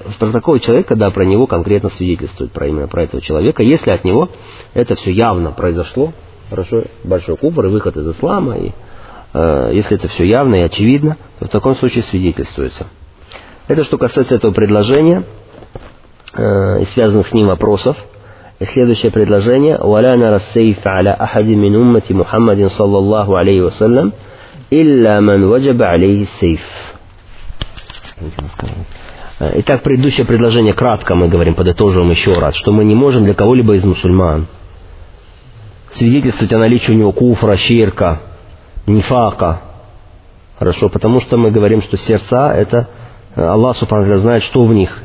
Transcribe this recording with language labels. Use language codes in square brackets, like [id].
[ru] Про такого человека, да, про него конкретно свидетельствует, про именно про этого человека, если от него это все явно произошло, хорошо, большой куфр и выход из ислама, и если это все явно и очевидно, то в таком случае свидетельствуется. Это что касается этого предложения и связанных с ним вопросов. И следующее предложение: [ar] ولا نرى السيف على أحد من أمة محمد صلى الله عليه وسلم إلا من وجب عليه السيف. [ru] Итак, предыдущее предложение кратко мы говорим, подытожим еще раз, что мы не можем для кого-либо из мусульман свидетельствовать о наличии у него куфра, ширка, нифака. Хорошо, потому что мы говорим, что сердца это Аллах Субхану Тааля знает, что в них.